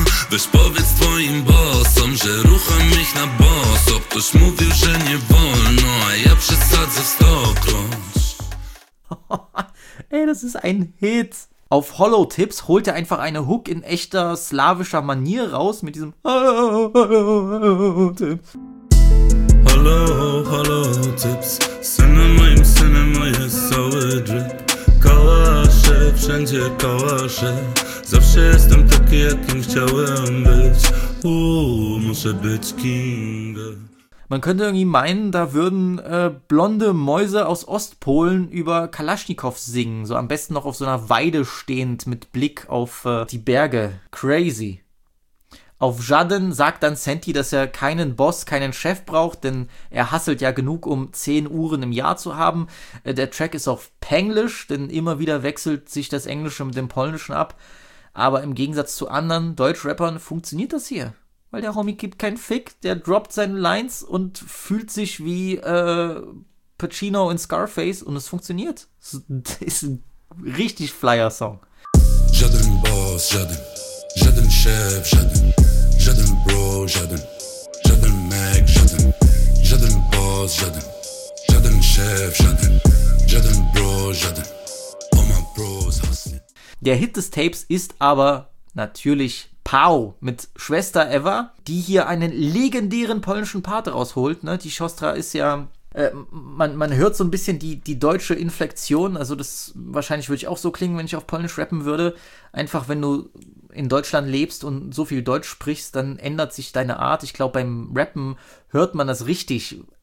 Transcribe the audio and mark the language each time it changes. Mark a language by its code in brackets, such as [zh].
[pl] Weź powiedz twoim bossom, że rucham ich na boso. Ktoś mówił, że nie wolno, a ja przesadzę stokroć. [de] Ey, das ist ein Hit. Auf Hollow Tips holt er einfach eine Hook in echter slawischer Manier raus mit diesem [en] Hollow Tips. [pl] Hollow Tips, cinema im cinema jest cały drip. Kałasze, wszędzie kałasze. Zawsze jestem taki, jakim chciałem być. Muszę być King. [de] Man könnte irgendwie meinen, da würden blonde Mäuse aus Ostpolen über Kalaschnikow singen. So am besten noch auf so einer Weide stehend mit Blick auf die Berge. Crazy. Auf Jaden sagt dann Santi, dass er keinen Boss, keinen Chef braucht, denn er hasselt ja genug, um 10 Uhren im Jahr zu haben. Der Track ist auf Penglisch, denn immer wieder wechselt sich das Englische mit dem Polnischen ab. Aber im Gegensatz zu anderen Deutschrappern funktioniert das hier. Weil der Homie gibt keinen Fick, der droppt seine Lines und fühlt sich wie Pacino in Scarface und es funktioniert. Das ist ein richtig Flyer-Song. [pl] Jaden Boss, Jaden. Żaden szef, żaden, żaden bro, żaden, żaden mek, żaden, żaden boss, żaden, żaden szef, żaden, żaden bro, żaden, [en] all my bros hustle. [de] Der Hit des Tapes ist aber natürlich Pau mit Schwester Eva, die hier einen legendären polnischen Part rausholt, ne? Die Siostra ist ja, man hört so ein bisschen die deutsche Inflexion, also das wahrscheinlich würde ich auch so klingen, wenn ich auf Polnisch rappen würde, einfach wenn du in Deutschland lebst und so viel Deutsch sprichst, dann ändert sich deine Art. Ich glaube, beim Rappen hört man das richtig.